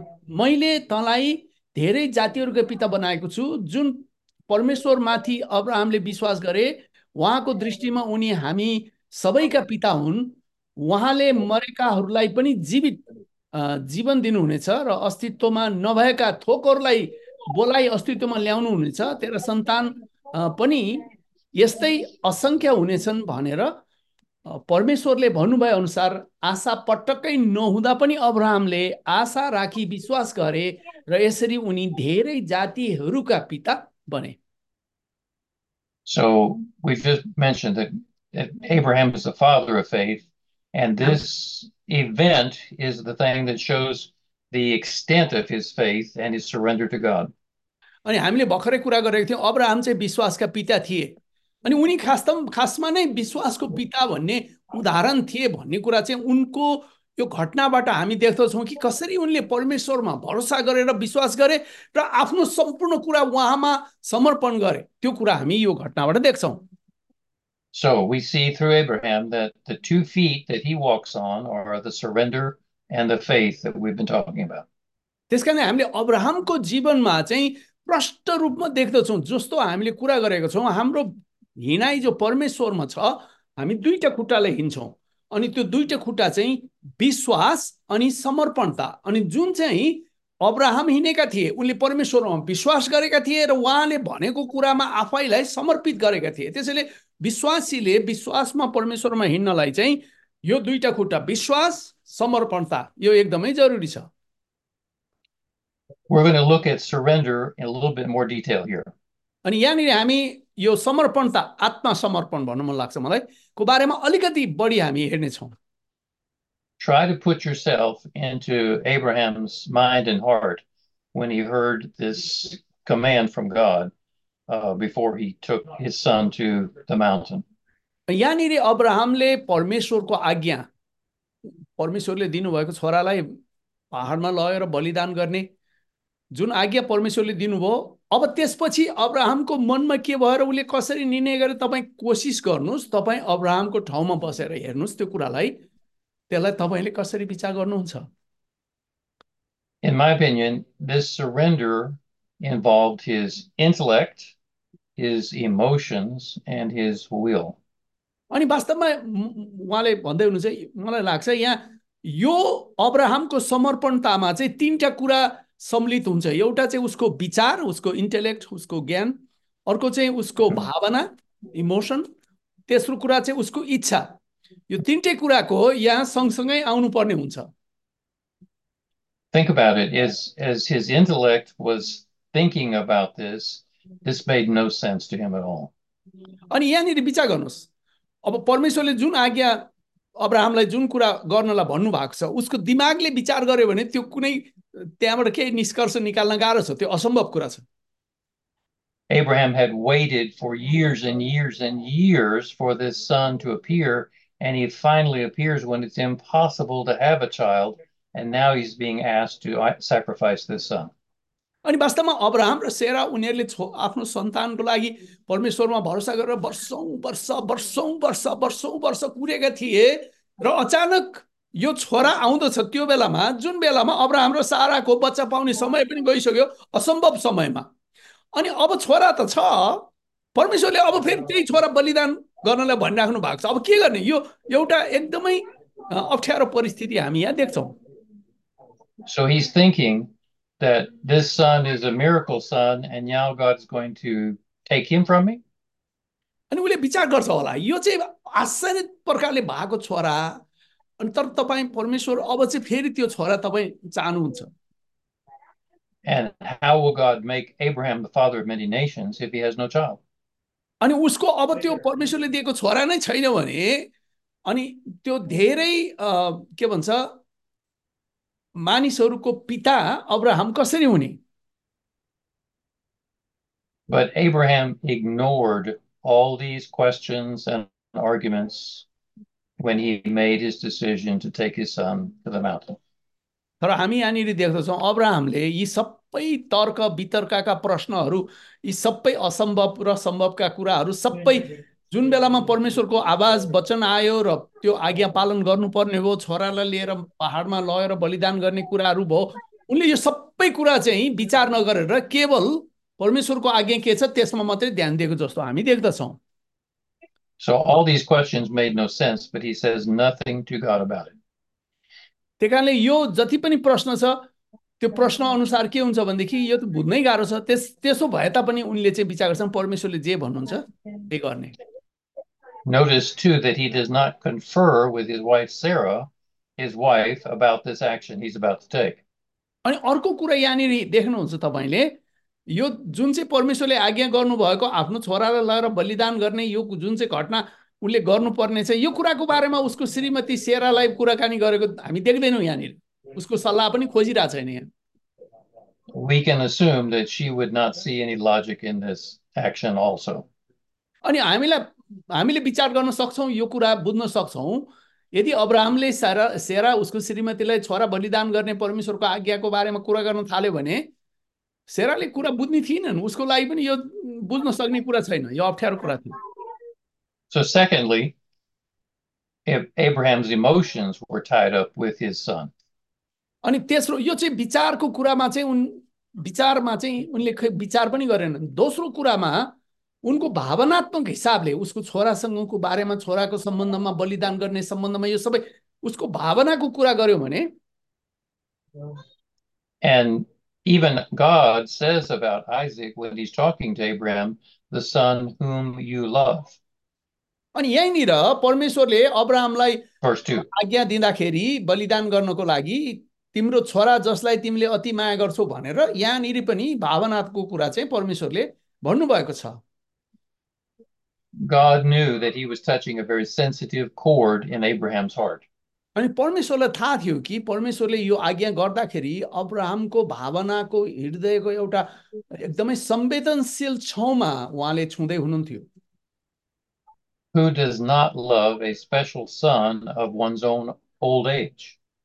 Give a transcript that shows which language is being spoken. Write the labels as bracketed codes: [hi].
[ne] मैले तँलाई धेरै जातिहरूको पिता बनाएको छु, जुन परमेश्वरमाथि अब्राहमले विश्वास गरे उहाँको दृष्टिमा उनी हामी सबैका पिता हुन्, उहाँले मरेकाहरूलाई पनि जीवित जीवन दिनुहुनेछ र अस्तित्वमा नभएका थोकहरूलाई बोलाई अस्तित्वमा ल्याउनुहुनेछ, तेरा सन्तान पनि यस्तै असङ्ख्या हुनेछन् भनेर परमेश्वरले भन्नुभए अनुसार आशा पटक्कै नहुँदा पनि अब्राहमले आशा राखी विश्वास गरे र यसरी उनी धेरै जातिहरूका पिता बने। [en] So we've just mentioned that Abraham is the father of faith, and this event is the thing that shows the extent of his faith and his surrender to God. [ne] अनि हामीले भर्खरै कुरा गरेको थियौँ, अब्राहम चाहिँ विश्वासका पिता थिए, अनि उनी खासमा नै विश्वासको पिता भन्ने उदाहरण थिए भन्ने कुरा चाहिँ उनको यो घटनाबाट हामी देख्दछौँ, कि कसरी उनले परमेश्वरमा भरोसा गरेर विश्वास गरे र आफ्नो सम्पूर्ण कुरा उहाँमा समर्पण गरे, त्यो कुरा हामी यो घटनाबाट देख्छौँ। [en] So we see through Abraham that the two feet that he walks on are the surrender and the faith that we've been talking about. [ne] त्यसकारण हामीले अब्राहमको जीवनमा चाहिँ प्रष्ट रूपमा देख्दछौँ, जस्तो हामीले कुरा गरेको छौँ, हाम्रो हिँडाइ जो परमेश्वरमा छ, हामी दुईटा खुट्टाले हिँड्छौँ, अनि त्यो दुईटा खुट्टा चाहिँ विश्वास अनि समर्पणता, अनि जुन चाहिँ अब्राहम हिँडेका थिए, उनले परमेश्वरमा विश्वास गरेका थिए र उहाँले भनेको कुरामा आफैलाई समर्पित गरेका थिए, त्यसैले विश्वासीले विश्वासमा परमेश्वरमा हिँड्नलाई चाहिँ यो दुईटा खुट्टा, विश्वास समर्पणता, यो एकदमै जरुरी छ। [en] We're going to look at surrender in a little bit more detail here. [ne] अनि यहाँनिर हामी यो समर्पणता, आत्मसमर्पण भन्नु मन लाग्छ मलाई, को बारेमा अलिकति बढी हामी हेर्नेछौँ। [en] Try to put yourself into Abraham's mind and heart when he heard this command from God before he took his son to the mountain. [ne] यहाँनिर अब्राहमले परमेश्वरको आज्ञा, परमेश्वरले दिनुभएको छोरालाई पहाडमा लगेर बलिदान गर्ने जुन आज्ञा परमेश्वरले दिनुभयो, अब त्यसपछि अब्राहमको मनमा के भएर उसले कसरी निर्णय गरे, तपाईँ कोसिस गर्नुहोस्, तपाईँ अब्राहमको ठाउँमा बसेर हेर्नुहोस् त्यो कुरालाई, त्यसलाई तपाईँले कसरी विचार गर्नुहुन्छ? [en] In my opinion, this surrender involved his intellect, his emotions, and his will. [ne] अनि वास्तवमा उहाँले भन्दै हुनुहुन्छ, मलाई लाग्छ यहाँ यो अब्राहमको समर्पणतामा चाहिँ तिनवटा कुरा सम्मिलित हुन्छ। एउटा चाहिँ उसको विचार, उसको इन्टेलेक्ट, उसको ज्ञान, अर्को चाहिँ उसको भावना, इमोसन, तेस्रो कुरा चाहिँ उसको इच्छा। यो तिनटै कुराको यहाँ सँगसँगै आउनुपर्ने हुन्छ। [en] Think about it, as his intellect was thinking about this, this made no sense to him at all. [ne] अनि यहाँनिर विचार गर्नुहोस्, अब परमेश्वरले जुन आज्ञा अब्राहमलाई जुन कुरा गर्नलाई भन्नुभएको छ, उसको दिमागले विचार गर्यो भने त्यो कुनै त्यहाँबाट केही निष्कर्ष निकाल्न गाह्रो छ, त्यो असम्भव कुरा छ। [en] Abraham had waited for years and years and years for this son to appear, and he finally appears when it's impossible to have a child, and now he's being asked to sacrifice this son. [ne] अनि वास्तवमा Abraham र सेरा उनीहरूले आफ्नो सन्तानको लागि परमेश्वरमा भरोसा गरेर वर्षौँ वर्ष वर्षौँ वर्ष वर्षौँ वर्ष कुरेका थिए, र अचानक यो छोरा आउँदछ त्यो बेलामा जुन बेलामा अब्राहम र साराको बच्चा पाउने समय पनि गइसक्यो, असम्भव समयमा। अनि अब छोरा त छ, परमेश्वरले अब फेरि त्यही छोरा बलिदान गर्नलाई भनिराख्नु भएको छ, अब के गर्ने? यो एउटा एकदमै अप्ठ्यारो परिस्थिति हामी यहाँ देख्छौँ। [en] So he's thinking that this son is a miracle son and now God's going to take him from me? [ne] अनि उसले विचार गर्छ होला यो चाहिँ आश्चर्य प्रकारले भएको छोरा, अनि तर तपाईँ परमेश्वर अब चाहिँ फेरि त्यो छोरा तपाईँ चाहनुहुन्छ। [en] And how will God make Abraham the father of many nations if he has no child? [ne] अनि उसको अब त्यो परमेश्वरले दिएको छोरा नै छैन भने, अनि त्यो धेरै के भन्छ मानिसहरूको पिता अब्राहम कसरी हुने? [en] But Abraham ignored all these questions and arguments when he made his decision to take his son to the mountain. [ne] तर हामी यहाँनिर देख्दछौँ अब्राहमले यी सबै तर्क वितर्कका प्रश्नहरू, यी सबै असम्भव र सम्भवका कुराहरू सबै जुन बेलामा परमेश्वरको आवाज वचन आयो र त्यो आज्ञा पालन गर्नुपर्ने भयो, छोरालाई लिएर पहाडमा लगेर बलिदान गर्ने कुराहरू भयो, उनले यो सबै कुरा चाहिँ विचार नगरेर केवल परमेश्वरको आज्ञा के छ त्यसमा मात्रै ध्यान दिएको जस्तो हामी देख्दछौँ। [en] So all these questions made no sense, but he says nothing to God about it. [ne] त्यही कारणले यो जति पनि प्रश्न छ त्यो प्रश्न अनुसार के हुन्छ भनेदेखि यो त बुझ्नै गाह्रो छ। त्यसो भए तापनि उनले चाहिँ विचार गर्छन् परमेश्वरले जे भन्नुहुन्छ त्यही गर्ने। [en] Notice too that he does not confer with his wife Sarah, his wife, about this action he's about to take. [ne] अनि अर्को कुरा यहाँनिर देख्नुहुन्छ तपाईँले, यो जुन चाहिँ परमेश्वरले आज्ञा गर्नुभएको आफ्नो छोरालाई लगेर बलिदान गर्ने यो जुन चाहिँ घटना उसले गर्नुपर्ने छ, यो कुराको बारेमा उसको श्रीमती सेरालाई कुराकानी गरेको हामी देख्दैनौँ यहाँनिर, उसको सल्लाह पनि खोजिरहेको छैन यहाँ। [en] We can assume that she would not see any logic in this action also. [ne] अनि हामीले विचार गर्न सक्छौँ, यो कुरा बुझ्न सक्छौँ, यदि अब्राहमले सेरा उसको श्रीमतीलाई छोरा बलिदान गर्ने परमेश्वरको आज्ञाको बारेमा कुरा गर्न थाल्यो भने सेराले कुरा बुझ्ने थिएनन्, उसको लागि पनि यो बुझ्न सक्ने कुरा छैन, यो अप्ठ्यारो कुरा थियो। [en] So secondly, if Abraham's emotions were tied up with his son. [ne] अनि तेस्रो यो चाहिँ विचारको कुरामा चाहिँ विचारमा चाहिँ उनले खै विचार पनि गरेनन्। दोस्रो कुरामा उनको भावनात्मक हिसाबले उसको छोरासँगको बारेमा, छोराको सम्बन्धमा बलिदान गर्ने सम्बन्धमा, यो सबै उसको भावनाको कुरा गर्यो भने, [en] And even God says about Isaac when he's talking to Abraham, the son whom you love. [ne] अनि यहीँनिर परमेश्वरले अब्राहमलाई [en] Verse 2. [ne] आज्ञा दिँदाखेरि बलिदान गर्नको लागि तिम्रो छोरा जसलाई तिमीले अति माया गर्छौ भनेर यहाँनिर पनि भावनाको कुरा चाहिँ परमेश्वरले भन्नुभएको छ. [en] God knew that he was touching a very sensitive chord in Abraham's heart. [ne] अनि परमेश्वरलाई थाहा थियो कि परमेश्वरले यो आज्ञा गर्दाखेरि अब्राहमको भावनाको हृदयको एउटा एकदमै संवेदनशील छेउमा उहाँले छुँदै हुनुहुन्थ्यो. [en] Who does not love a special son of one's own old age?